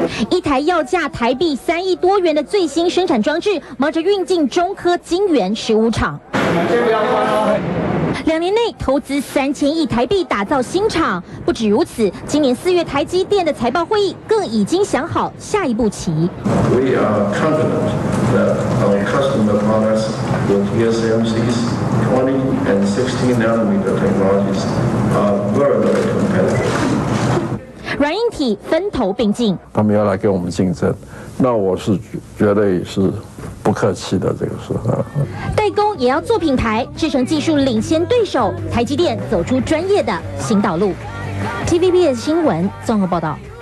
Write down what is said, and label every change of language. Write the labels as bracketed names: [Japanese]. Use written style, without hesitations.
[Chinese] 一台要价台币3亿多元的最新生产装置，忙着运进中科晶圆15厂。 2年内投资3000亿台币打造新厂。不止如此，今年4月台积电的财报会议更已经想好下一步棋。 [English] We are confident that our customer partners with TSMC's 20 and 16 nanometer technologies are very, very competitive. [Chinese] 软硬体分头并进，他们要来跟我们竞争，那我是绝对是不客气的。这个时候代工也要做品牌，制程技术领先对手台积电走出专业的新道路。 TVBS 新闻综合报道。